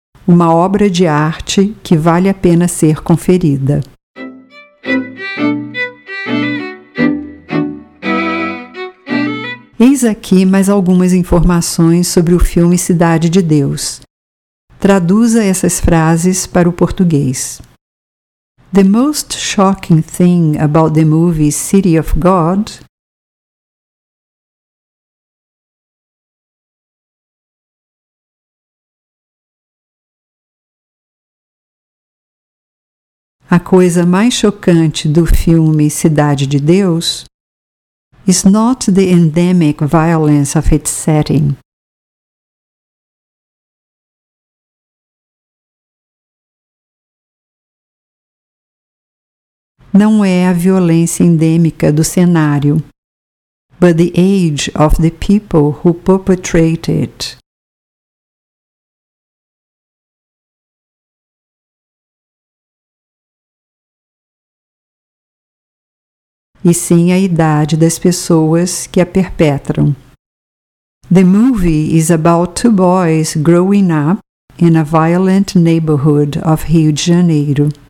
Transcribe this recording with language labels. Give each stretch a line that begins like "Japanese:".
Portuguese: Uma obra de arte que vale a pena ser conferida. Eis aqui mais algumas informações sobre o filme Cidade de Deus. Traduza essas frases para o português.
English: The most shocking thing about the movie City of God.
Portuguese: A coisa mais chocante do filme Cidade de Deus
English: is not the endemic violence of its setting.
Portuguese: não é a violência endêmica do cenário,
English: but the age of the people who perpetrate it.
Portuguese: E sim a idade das pessoas que a perpetram.
English: The movie is about two boys growing up in a violent neighborhood of Rio de Janeiro.